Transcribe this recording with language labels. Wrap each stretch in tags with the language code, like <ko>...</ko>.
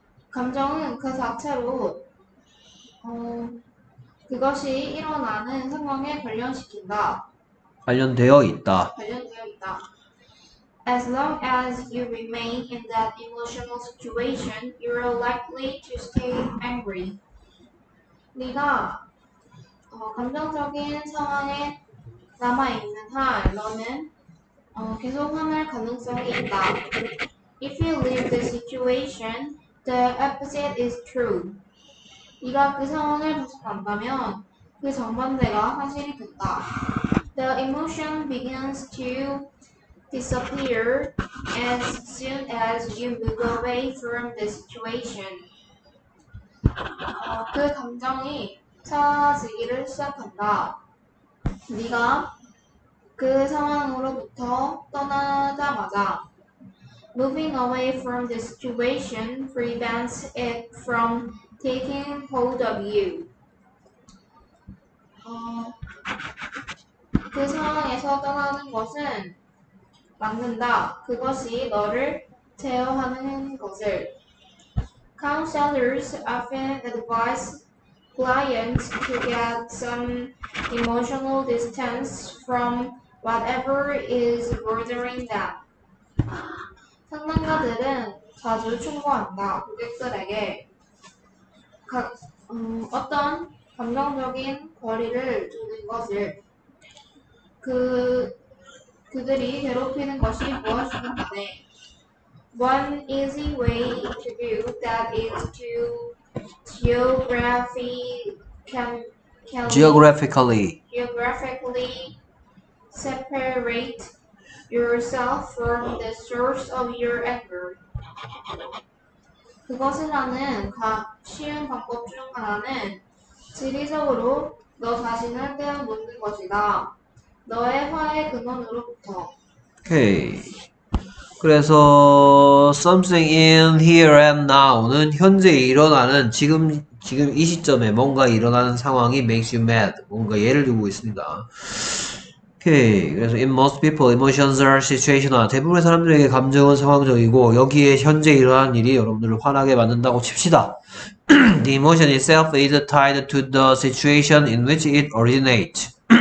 <ko>감정은 그 자체로 그것이 일어나는 상황에 관련시킨다. 관련되어 있다. 관련되어 있다.</ko> <en>As long as you remain in that emotional situation, you are likely to stay angry.</en> <ko>네가 감정적인 상황에 남아 있는 한, 너는 계속 화낼 가능성이 있다.</ko> <en>If you leave the situation, the opposite is true.</en> <ko>네가 그 상황을 반다면 그 정반대가 사실이 됐다.</ko> <en>The emotion begins to disappear as soon as you move away from the situation.</en> <ko>그 감정이 사라지기를 시작한다. 네가 그 상황으로부터 떠나자마자</ko> <en>moving away from the situation prevents it from taking hold of you.</en> <ko>그 상황에서 떠나는 것은 막는다. 그것이 너를 제어하는 것을.</ko> <en>Counselors often advise clients to get some emotional distance from whatever is bothering them.</en> <ko>상담가들은 자주 충고한다, 고객들에게. 어떤 감정적인 거리를 두는 것을. 그들이 괴롭히는 것이 무엇인가 하네.</ko> <en>One easy way to do that is to geographically separate yourself from the source of your anger.</en> <ko>그것이라는 쉬운 방법 중 하나는 지리적으로 너 자신을 떼어묻는 것이다. 너의 화의 근원으로부터. 오케이. 그래서</ko> <en>something in here and now</en> <ko>는 현재 일어나는 지금 이 시점에 뭔가 일어나는 상황이</ko> <en>makes you mad.</en> <ko>뭔가 예를 들고 있습니다. 오케이. 그래서</ko> <en>in most people emotions are situational.</en> <ko>대부분의 사람들에게 감정은 상황적이고 여기에 현재 일어나는 일이 여러분들을 화나게 만든다고 칩시다.</ko> <en>The emotion itself is tied to the situation in which it originates.</en>